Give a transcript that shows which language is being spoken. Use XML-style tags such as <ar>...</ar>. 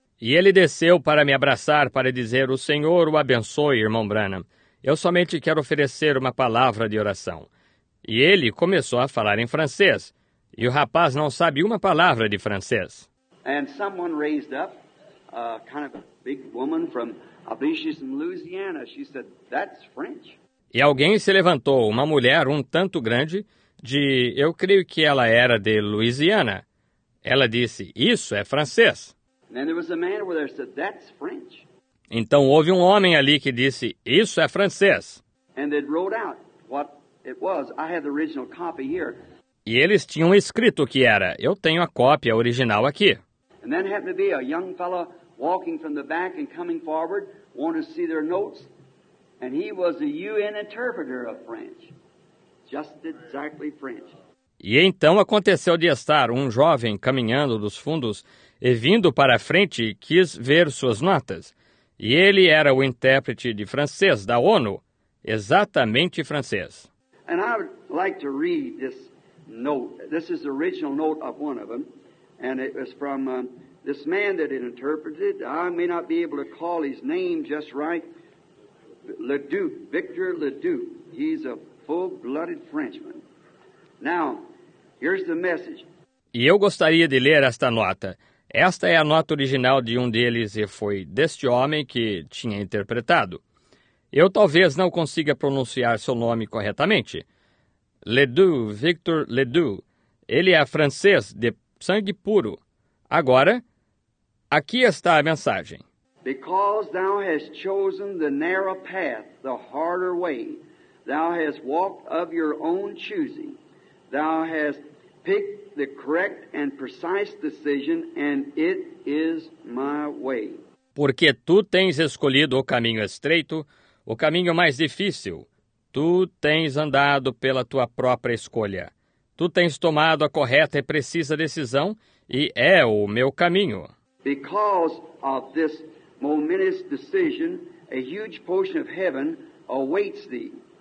<pt>E ele desceu para me abraçar para dizer, "O Senhor o abençoe, irmão Branham. Eu somente quero oferecer uma palavra de oração." E ele começou a falar em francês, e o rapaz não sabe uma palavra de francês.</pt> <en>And someone raised up a kind of big woman from, I believe she's from Louisiana. She said, "That's French."</en> <pt>E alguém se levantou, uma mulher um tanto grande, de, eu creio que ela era de Louisiana. Ela disse, "Isso é francês."</pt> <en>And then there was a man over there who said, "That's French."</en> <pt>Então houve um homem ali que disse, "Isso é francês."</pt> <en>And they wrote out what it was. I have the original copy here.</en> <pt>E eles tinham escrito o que era. Eu tenho a cópia original aqui.</pt> <en>And then happened to be a young fellow walking from the back and coming forward, wanted to see their notes, and he was a UN interpreter of French. Just exactly French.</en> <pt>E então aconteceu de estar um jovem caminhando dos fundos e vindo para a frente quis ver suas notas. E ele era o intérprete de francês da ONU, exatamente francês.</pt> <en>And I would like to read this note. This is the original note of one of them. And it was from this man that it interpreted. I may not be able to call his name just right. Leduc, Victor Leduc. He's a full-blooded Frenchman. Now, here's the message.</en> <pt>E eu gostaria de ler esta nota. Esta é a nota original de um deles e foi deste homem que tinha interpretado. Eu talvez não consiga pronunciar seu nome corretamente. Leduc, Victor Leduc. Ele é francês de sangue puro. Agora, aqui está a mensagem.</pt> <en>Because thou hast chosen the narrow path, the harder way, thou hast walked of your own choosing, thou hast picked the correct and precise decision, and it is my way.</en> <pt>Porque tu tens escolhido o caminho estreito, o caminho mais difícil. Tu tens andado pela tua própria escolha. Tu tens tomado a correta e precisa decisão e é o meu caminho.</pt> <en>Because of this momentous decision, a huge portion of heaven awaits thee.</en>